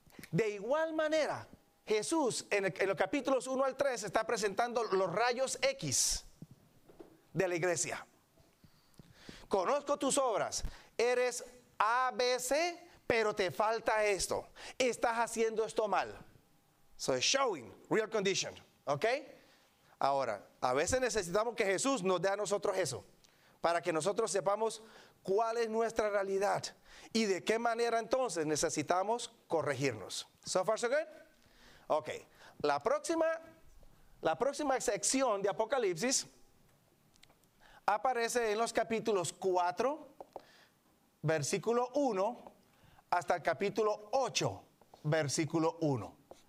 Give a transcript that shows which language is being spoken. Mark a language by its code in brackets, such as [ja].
[es] De igual manera, Jesús en los capítulos 1 al 3 está presentando los rayos X de la iglesia. Conozco tus obras, eres ABC, pero te falta esto. Estás haciendo esto mal. [en] So it's showing real condition. Okay? [es] Ahora, a veces necesitamos que Jesús nos dé a nosotros eso, para que nosotros sepamos cuál es nuestra realidad y de qué manera entonces necesitamos corregirnos. [en] So far so good? [es] Okay. La próxima sección de Apocalipsis aparece en los capítulos 4, versículo 1, hasta el capítulo 8, versículo 1.